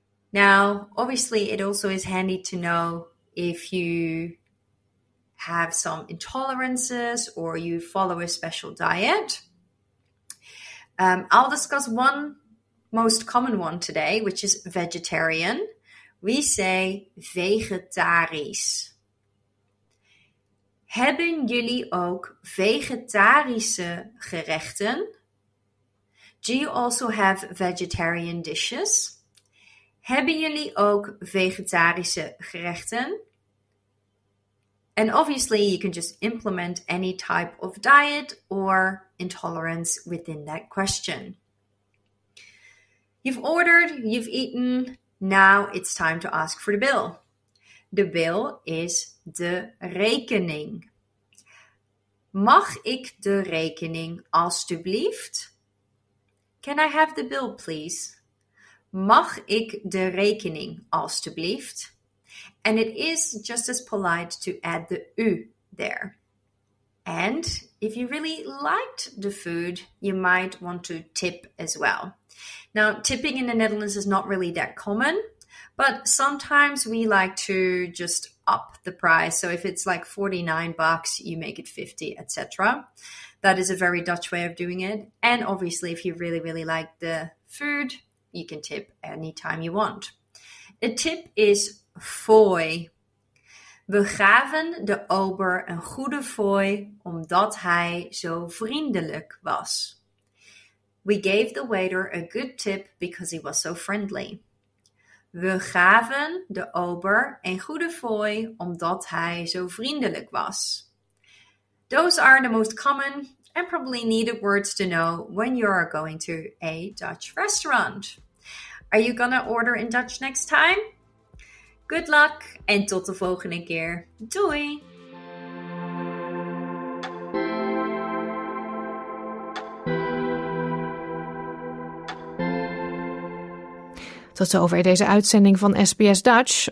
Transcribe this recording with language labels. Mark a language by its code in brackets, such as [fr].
[en] Now, obviously, it also is handy to know if you have some intolerances or you follow a special diet. I'll discuss one most common one today, which is vegetarian. We say vegetarisch. [nl] Hebben jullie ook vegetarische gerechten? [en] Do you also have vegetarian dishes? [nl] Hebben jullie ook vegetarische gerechten? [en] And obviously you can just implement any type of diet or intolerance within that question. You've ordered, you've eaten, now it's time to ask for the bill. The bill is de rekening. [nl] Mag ik de rekening alstublieft? [en] Can I have the bill, please? [nl] Mag ik de rekening alstublieft? [en] And it is just as polite to add the u there. And if you really liked the food, you might want to tip as well. Now, tipping in the Netherlands is not really that common, but sometimes we like to just up the price. So if it's like 49 bucks, you make it 50, etc. That is a very Dutch way of doing it. And obviously, if you really, really like the food, you can tip anytime you want. A tip is fooi. [nl] We gaven de ober een goede fooi omdat hij zo vriendelijk was. [en] We gave the waiter a good tip because he was so friendly. [nl] We gaven de ober een goede fooi omdat hij zo vriendelijk was. [en] Those are the most common and probably needed words to know when you are going to a Dutch restaurant. Are you gonna order in Dutch next time? Good luck and [nl] tot de volgende keer. Doei! Tot zover deze uitzending van SBS Dutch.